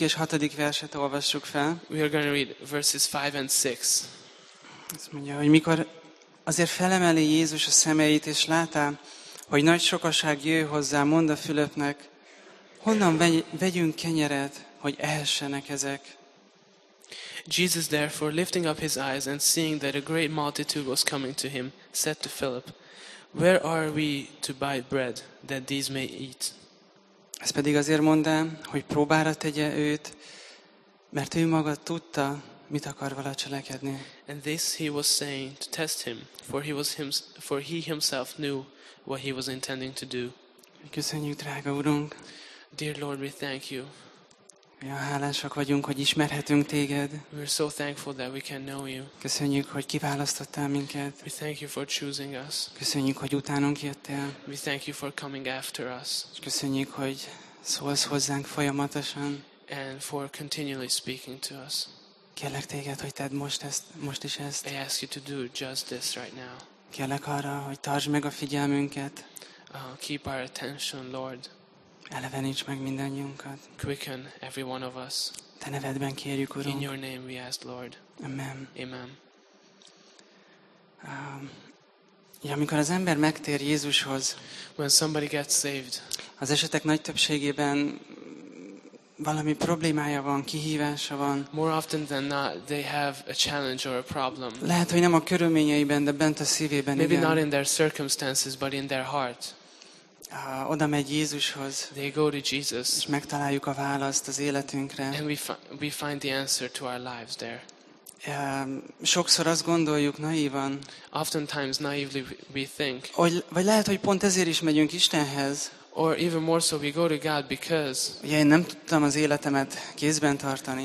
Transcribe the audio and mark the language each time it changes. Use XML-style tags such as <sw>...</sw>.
<hu>és 6. verset olvassuk fel.</hu> <en>We are going to read verses 5 and 6.</en> <hu>Azt mondja, hogy mikor azért felemeli Jézus a szemeit, és látta, hogy nagy sokaság jő hozzá, mondta Fülöpnek, honnan vegyünk kenyeret, hogy ehessenek ezek?</hu> <en>Jesus therefore, lifting up his eyes and seeing that a great multitude was coming to him, said to Philip, where are we to buy bread that these may eat?</en> <hu>Ez pedig azért mondta, hogy próbára tegye őt, mert ő maga tudta, mit akar vele cselekedni.</hu> <en>And this he was saying to test him, for he himself knew what he was intending to do.</en> <hu>Köszönjük, drága Urunk.</hu> <en>Dear Lord, we thank you.</en> <hu>Milyen hálásak vagyunk, hogy ismerhetünk téged.</hu> <en>We are so thankful that we can know you.</en> <hu>Köszönjük, hogy kiválasztottál minket.</hu> <en>We thank you for choosing us.</en> <hu>Köszönjük, hogy utánunk jöttél.</hu> <en>We thank you for coming after us.</en> <hu>Köszönjük, hogy szólsz hozzánk folyamatosan.</hu> <en>And for continually speaking to us.</en> <hu>Kérlek téged, hogy tedd most is ezt.</hu> <en>I ask you to do just this right now.</en> <hu>Kérlek arra, hogy tartsd meg a figyelmünket.</hu> <en>Keep our attention, Lord.</en> <hu>Eleveníts meg mindannyiunkat.</hu> <en>Quicken every one of us.</en> <hu>Te nevedben kérjük, Urunk.</hu> <en>In your name we ask, Lord.</en> <hu>Amen.</hu> <en>Amen.</en> <hu>Amikor az ember megtér Jézushoz,</hu> <en>when somebody gets saved,</en> <hu>az esetek nagy többségében valami problémája van, kihívása van.</hu> <en>More often than not, they have a challenge or a problem.</en> <hu>Lehet, hogy nem a körülményeiben, de bent a szívében.</hu> <en>Maybe</en> <hu>igen.</hu> <en>Not in their circumstances, but in their heart.</en> <hu>Oda megy Jézushoz.</hu> <en>They go to Jesus.</en> <hu>És megtaláljuk a választ az életünkre.</hu> <en>And we find the answer to our lives there.</en> <hu>Sokszor azt gondoljuk naívan.</hu> <en>Oftentimes naively we think.</en> <hu>Vagy lehet, hogy pont ezért is megyünk Istenhez.</hu> <en>Or even more so, we go to God because.</en> <hu>Ugye, én nem tudtam az életemet kézben tartani.</hu>